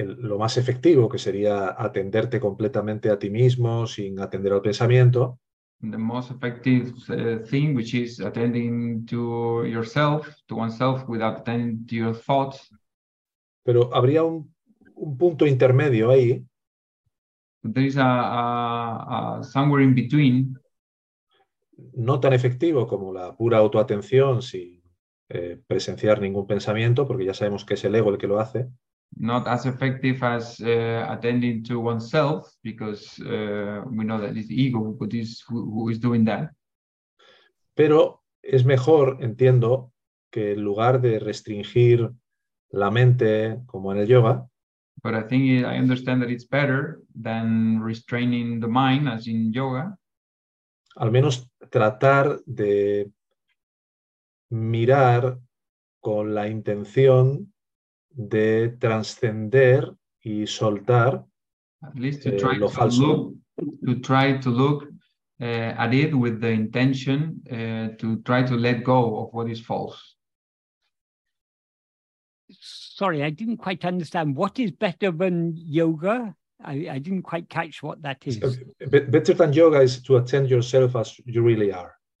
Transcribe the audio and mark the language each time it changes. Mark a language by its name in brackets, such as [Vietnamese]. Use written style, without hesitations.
[Spanish] Lo más efectivo, que sería atenderte completamente a ti mismo sin atender al pensamiento. [English] The most effective thing, which is attending to yourself, to oneself, without attending to your thoughts. [Spanish] Pero habría un punto intermedio ahí. [English] There is a somewhere in between. [Spanish] No tan efectivo como la pura autoatención sin presenciar ningún pensamiento, porque ya sabemos que es el ego el que lo hace. [English] Not as effective as attending to oneself, because we know that it's ego who is doing that. [Spanish] Pero es mejor, entiendo, que en lugar de restringir la mente como en el yoga. [English] But I think I understand that it's better than restraining the mind as in yoga. [Spanish] Al menos tratar de mirar con la intención de trascender y soltar lo falso. [English] To try to look at it with the intention to try to let go of what is false. Sorry, I didn't quite understand. What is better than yoga? I didn't quite catch what that is. Better than yoga is to attend yourself as you really are.